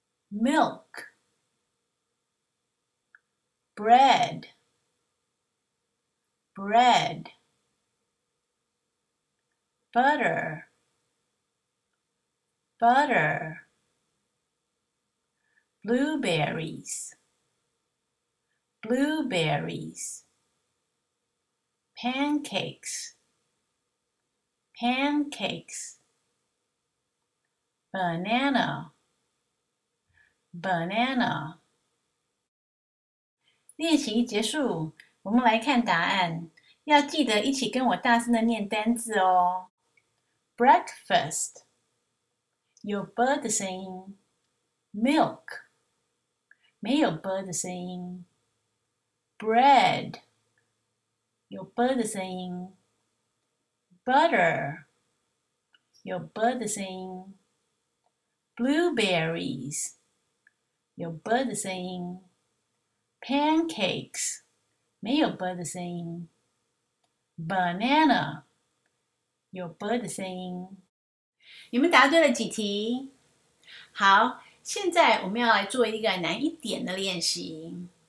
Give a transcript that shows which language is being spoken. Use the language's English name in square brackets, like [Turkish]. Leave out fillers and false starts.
[English] Milk, bread, bread, butter, butter, blueberries, blueberries, pancakes, pancakes, banana. [Chinese] Banana，练习结束，我们来看答案。要记得一起跟我大声的念单字哦。 Breakfast 有 b 的声音，milk 没有 b 的声音，bread 有 b 的声音，butter 有 b 的声音，blueberries。有 b 的声音，pancakes 没有 b 的声音，banana 有 b 的声音，你们答对了几题？好，现在我们要来做一个难一点的练习。